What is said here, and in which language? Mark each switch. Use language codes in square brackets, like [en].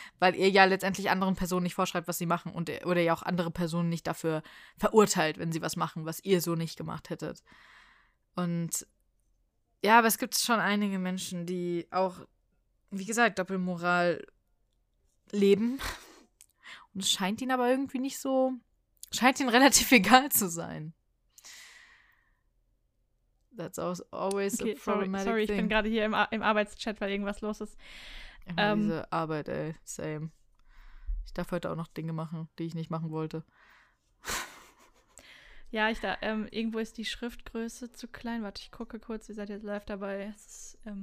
[de] Weil ihr ja letztendlich anderen Personen nicht vorschreibt, was sie machen. Und oder ja auch andere Personen nicht dafür verurteilt, wenn sie was machen, was ihr so nicht gemacht hättet. Und ja, aber es gibt schon einige Menschen, die auch, wie gesagt, Doppelmoral leben. Und es scheint ihnen aber irgendwie nicht so, scheint ihnen relativ egal zu sein. [en] That's always okay, a problematic sorry, thing. [de] Ich bin gerade hier im Arbeitschat, weil irgendwas los ist. Diese Arbeit, ey, same. Ich darf heute auch noch Dinge machen, die ich nicht machen wollte. Ja, ich da, irgendwo ist die Schriftgröße zu klein. Warte, ich gucke kurz, ihr seid jetzt live dabei. Es ist,